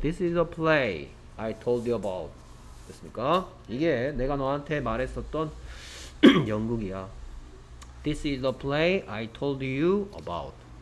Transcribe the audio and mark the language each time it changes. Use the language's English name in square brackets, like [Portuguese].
[English] This is the play I told you about. [Korean] 됐습니까? 이게 내가 너한테 말했었던 연극이야. [English] This is the play I told you about.